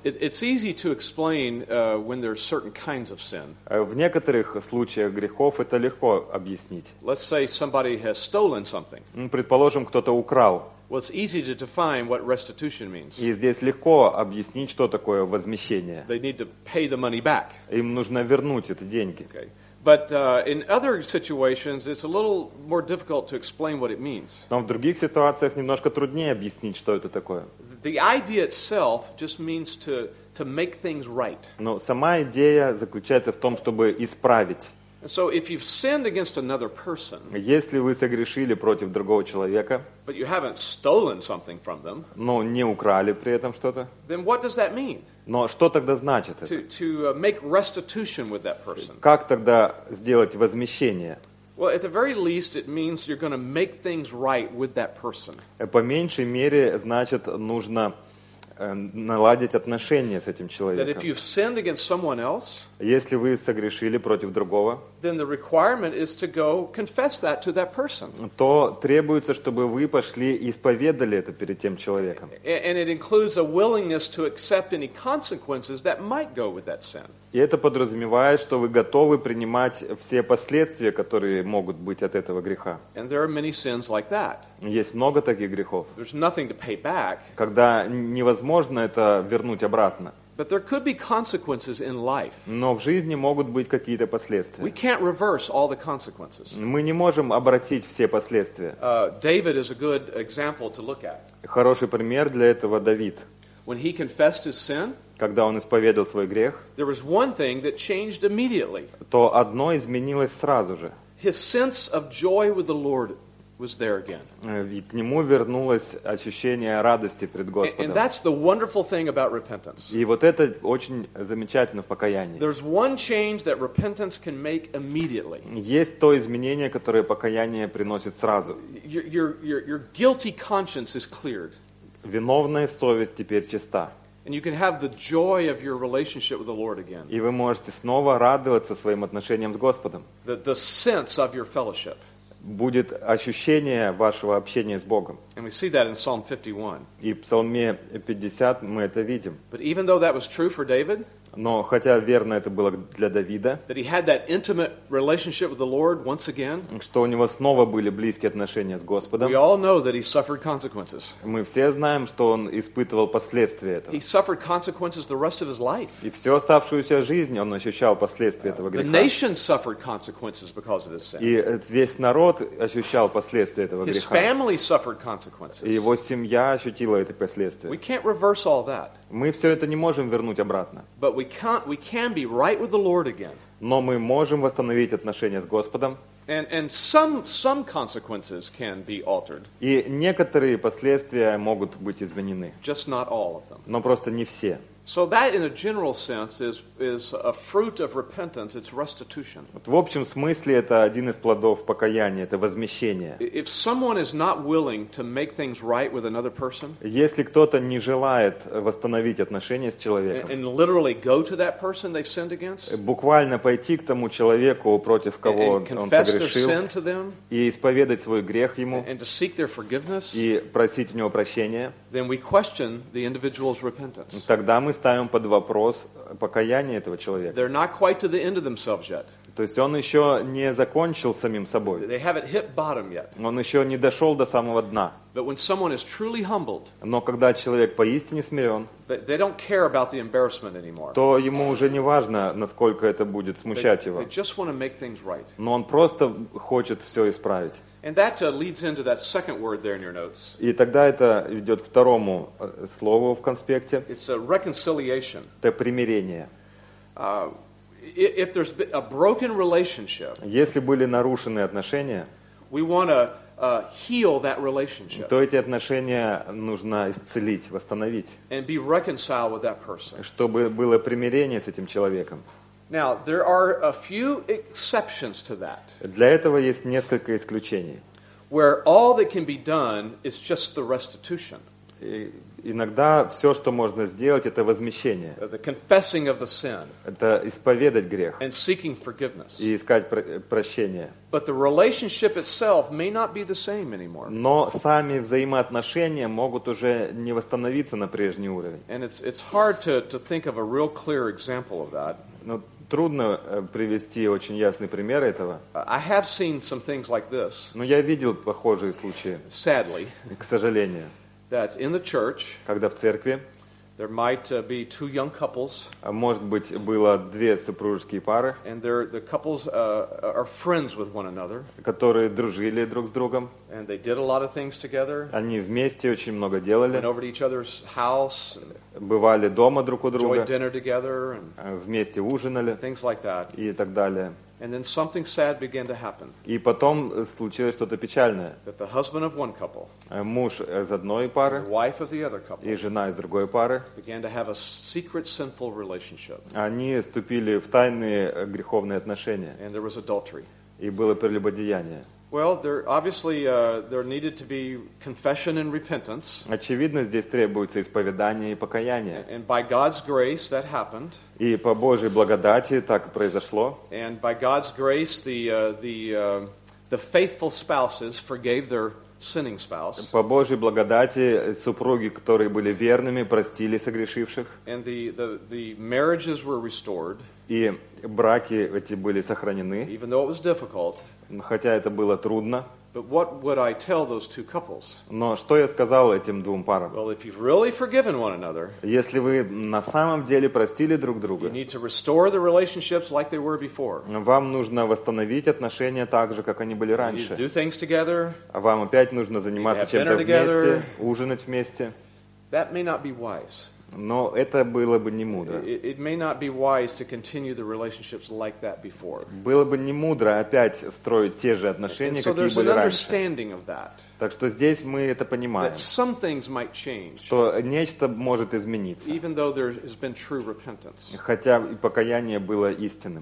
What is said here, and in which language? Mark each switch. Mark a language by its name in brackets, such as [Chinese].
[English] It's easy to explain when there's certain kinds of sin. [Russian] В некоторых случаях грехов это легко объяснить. [English] Let's say somebody has stolen something. [Russian] Предположим, кто-то украл. [English] Well, it's easy to define what restitution means. [Russian] И здесь легко объяснить, что такое возмещение. [English] They need to pay the money back. [Russian] Им нужно вернуть эти деньги. [English] Okay. But in other situations, it's a little more difficult to explain what it means. [Russian] Но в других ситуациях немножко труднее объяснить, что это такое. [English] The idea itself just means to make things right. [Russian] Но сама идея заключается в том, чтобы исправить. [English] And so if you've sinned against another person, [Russian] если вы согрешили против другого человека, [English] but you haven't stolen something from them, [Russian] но не украли при этом что-то, [English] then what does that mean? [Russian] Но что тогда значит это? [English] To make restitution with that person. [Russian] Как тогда сделать возмещение? [English] Well, at the very least, it means you're going to make things right with that person. [Russian] По меньшей мере, значит, нужно наладить отношения с этим человеком. [English] That if you've sinned against someone else, [Russian] если вы согрешили против другого, [English] then the requirement is to go confess that to that person. [Russian] То требуется, чтобы вы пошли и исповедали это перед тем человеком. [English] And it includes a willingness to accept any consequences that might go with that sin. [Russian] И это подразумевает, что вы готовы принимать все последствия, которые могут быть от этого греха. [English] And there are many sins like that. [Russian] Есть много таких грехов. [English] There's nothing to pay back. [Russian] Когда невозможно это вернуть обратно. [English] But there could be consequences in life. [Russian] Но в жизни могут быть какие-то последствия. [English] We can't reverse all the consequences. [Russian] Мы не можем обратить все последствия. [English] David is a good example to look at. [Russian] Хороший пример для этого Давид. [English] When he confessed his sin, [Russian] когда он исповедал свой грех, [English] there was one thing that changed immediately. [Russian] То одно изменилось сразу же. [English] His sense of joy with the Lord was there again. [Russian] И к нему вернулось ощущение радости пред Господом. [English] And that's the wonderful thing about repentance. [Russian] И вот это очень замечательно в покаянии. [English] There's one change that repentance can make immediately. [Russian] Есть то изменение, которое покаяние приносит сразу. [English] Your guilty conscience is cleared. [Russian] Виновная совесть теперь чиста. [English] And you can have the joy of your relationship with the Lord again. [Russian] И вы можете снова радоваться своим отношениям с Господом. [English] The sense of your fellowship. [Russian] Будет ощущение вашего общения с Богом. [English] And we see that in Psalm 51. [Russian] И в Псалме 50 мы это видим. [English] But even though that was true for David, [Russian] но хотя верно это было для Давида, [English] that he had that intimate relationship with the Lord once again, [Russian] что у него снова были близкие отношения с Господом, [English] we all know that he suffered consequences. [Russian] Мы все знаем, что он испытывал последствия этого. [English] He suffered consequences the rest of his life. [Russian] И всю оставшуюся жизнь он ощущал последствия этого греха. [English] The nation suffered consequences because of his sin. [Russian] И весь народ ощущал последствия этого греха. [English] His family suffered consequences. [Russian] И его семья ощутила эти последствия. [English] We can't reverse all that. [Russian] Мы все это не можем вернуть обратно. [English] But we can be right with the Lord again. [Russian] Но мы можем восстановить отношения с Господом. [English] And some consequences can be altered. [Russian] И некоторые последствия могут быть изменены. [English] Just not all of them. [Russian] Но просто не все. [English] So that in a general sense is a fruit of repentance, it's restitution. [Russian] Вот в общем смысле это один из плодов покаяния, это возмещение. [English] If someone is not willing to make things right with another person, [Russian] если кто-то не желает восстановить отношения с человеком, [English] and literally go to that person they've sinned against, [Russian] буквально пойти к тому человеку, против кого он согрешил, [English] their sin to them, [Russian] и исповедать свой грех ему, [English] and to seek their forgiveness, [Russian] и просить у него прощения, [English] then we question the individual's repentance. [Russian] Тогда мы ставим под вопрос покаяние этого человека. [English] They're not quite to the end of themselves yet. [Russian] То есть он еще не закончил самим собой. [English] They haven't hit bottom yet. [Russian] Он еще не дошел до самого дна. [English] But when someone is truly humbled, [Russian] но когда человек поистине смирен, [English] they don't care about the embarrassment anymore. [Russian] То ему уже не важно, насколько это будет смущать его. [English] They just want to make things right. [Russian] Но он просто хочет все исправить. [English] And that leads into that second word there in your notes. [Russian] И тогда это ведет к второму слову в конспекте. [English] It's a reconciliation. [Russian] Это примирение. [English] If there's a broken relationship, [Russian] если были нарушены отношения, [English] we want to heal that relationship. [Russian] То эти отношения нужно исцелить, восстановить. [English] And be reconciled with that person. [Russian] Чтобы было примирение с этим человеком. [English] Now there are a few exceptions to that. [Russian] Для этого есть несколько исключений. [English] Where all that can be done is just the restitution. [Russian] Иногда все, что можно сделать, это возмещение. [English] The confessing of the sin. [Russian] Это исповедать грех. [English] And seeking forgiveness. [Russian] И искать прощение. [English] But the relationship itself may not be the same anymore. [Russian] Но сами взаимоотношения могут уже не восстановиться на прежний уровень. [English] And it's hard to think of a real clear example of that. [Russian] Но трудно привести очень ясный пример этого. [English] I have seen some things like this. [Russian] Но я видел похожие случаи. [English] Sadly. [Russian] К сожалению. [English] That in the church, [Russian] когда в церкви, [English] there might be two young couples. [Russian] Может быть, было две супружеские пары. [English] And the couples are friends with one another. [Russian] Которые дружили друг с другом. [English] And they did a lot of things together. [Russian] Они вместе очень много делали. [English] Went over to each other's house. [Russian] Бывали дома друг у друга. [English] Enjoyed dinner together. [Russian] Вместе ужинали. [English] Things like that. [Russian] И так далее. [English] And then something sad began to happen. [Russian] И потом случилось что-то печальное. [English] That the husband of one couple, [Russian] муж из одной пары, [English] and the wife of the other couple, [Russian] и жена из другой пары, [English] began to have a secret sinful relationship. [Russian] Они вступили в тайные греховные отношения. [English] And there was adultery. [Russian] И было прелюбодеяние. [English] Well, there obviously there needed to be confession and repentance. [Russian] Очевидно, здесь требуется исповедание и покаяние. [English] And by God's grace that happened. [Russian] И по Божьей благодати так произошло. [English] And by God's grace the faithful spouses forgave their sinning spouse. [Russian] По Божьей благодати супруги, которые были верными, простили согрешивших. [English] And the marriages were restored. [Russian] И браки эти были сохранены. [English] Even though it was difficult. [Russian] Хотя это было трудно. [English] But what would I tell those two couples? [Russian] Но что я сказал этим двум парам? [English] Well, if you've really forgiven one another, [Russian] если вы на самом деле простили друг друга, [English] you need to restore the relationships like they were before. [Russian] Вам нужно восстановить отношения так же, как они были раньше. [English] You need to do things together. [Russian] Вам опять нужно заниматься чем-то [English] together, [Russian] вместе, ужинать вместе. [English] That may not be wise. [Russian] Но это было бы не мудро. [English] It may not be wise to continue the relationships like that before. [Russian] Было бы не мудро опять строить те же отношения, [English] and so [Russian] какие были [English] an [Russian] раньше. [English] Understanding of that. [Russian] Так что здесь мы это понимаем. [English] That some things might change. [Russian] Что нечто может измениться. [English] Even though there has been true repentance. [Russian] Хотя и покаяние было истинным.